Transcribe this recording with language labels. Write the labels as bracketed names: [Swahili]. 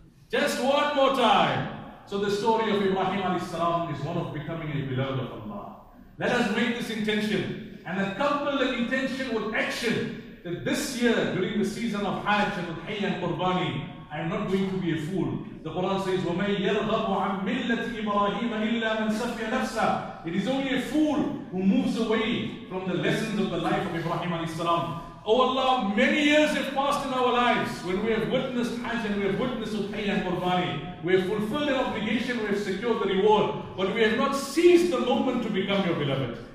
[English] Just one more time. So the story of Ibrahim alayhi salam is one of becoming a beloved of Allah. Let us make this intention and accouple the intention with action that this year during the season of Hajj and Hayy and Qurbani, I am not going to be a fool. The Quran says, [Arabic] وَمَنْ يَرْغَبُ عَمْ مِلَّةِ إِبْرَاهِيمَ إِلَّا مَنْ سَفِيَ نَفْسَهُ. [English] It is only a fool who moves away from the lessons of the life of Ibrahim alayhi salam. Oh Allah, many years have passed in our lives when we have witnessed Hajj and we have witnessed Hayy and Qurbani. We have fulfilled an obligation, we have secured the reward, but we have not seized the moment to become your beloved.